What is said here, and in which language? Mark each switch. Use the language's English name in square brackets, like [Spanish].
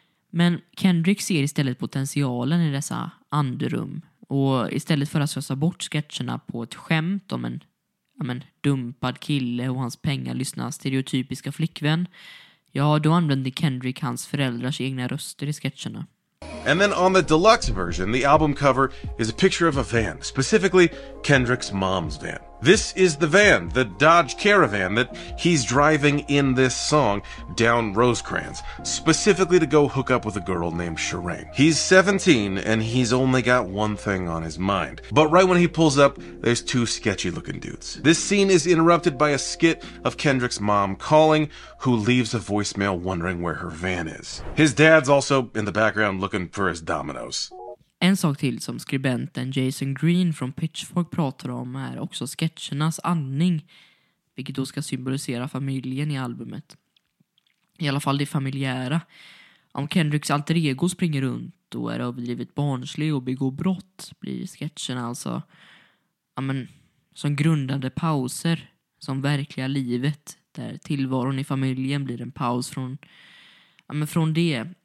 [Swedish] Men Kendrick ser istället potentialen i dessa andrum. Och istället för att slösa bort sketcherna på ett skämt om en dumpad kille och hans pengar lyssnar stereotypiska flickvän, ja, då använder Kendrick hans föräldrars egna röster i sketcherna. [English] And then on the deluxe version, the album cover is a picture of a van, specifically Kendrick's mom's van. This is the van, the Dodge Caravan, that he's driving in this song down Rosecrans, specifically to go hook up with a girl named Shireen. He's 17, and he's only got one thing on his mind. But right when he pulls up, there's two sketchy-looking dudes. This scene is interrupted by a skit of Kendrick's mom calling, who leaves a voicemail wondering where her van is. His dad's also in the background looking for his dominoes. [Swedish] En sak till som skribenten Jason Green från Pitchfork pratar om är också sketchernas andning, vilket då ska symbolisera familjen i albumet. I alla fall det familjära. Om Kendricks alter ego springer runt och är överdrivet barnslig och begår brott blir sketcherna alltså som grundande pauser, som verkliga livet, där tillvaron i familjen blir en paus från det.